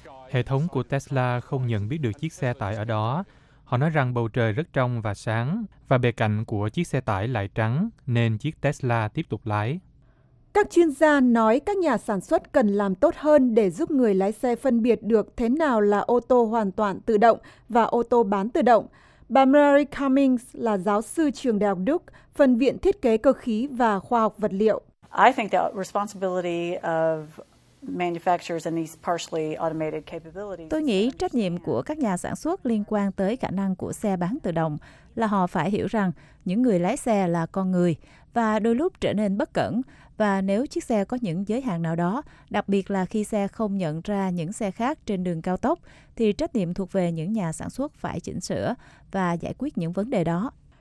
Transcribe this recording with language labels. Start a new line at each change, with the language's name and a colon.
Vietnamese: Hệ thống của Tesla không nhận biết được chiếc xe tải ở đó. Họ nói rằng bầu trời rất trong và sáng, và bề cạnh của chiếc xe tải lại trắng, nên chiếc Tesla tiếp tục lái. Các chuyên gia nói các nhà sản xuất cần làm tốt hơn để giúp người lái xe phân biệt được thế nào là ô tô hoàn toàn tự động và ô tô bán tự động. Bà Mary Cummings là giáo sư trường Đại học Duke, phân viện thiết kế cơ khí và khoa học vật liệu.
English: I think the responsibility of manufacturers and these partially automated capabilities.
Vietnamese: Tôi nghĩ trách nhiệm của các nhà sản xuất liên quan tới khả năng của xe bán tự động là họ phải hiểu rằng những người lái xe là con người và đôi lúc trở nên bất cẩn. Và nếu chiếc xe có những giới hạn nào đó, đặc biệt là khi xe không nhận ra những xe khác trên đường cao tốc, thì trách nhiệm thuộc về những nhà sản xuất phải chỉnh sửa và giải quyết những vấn đề đó.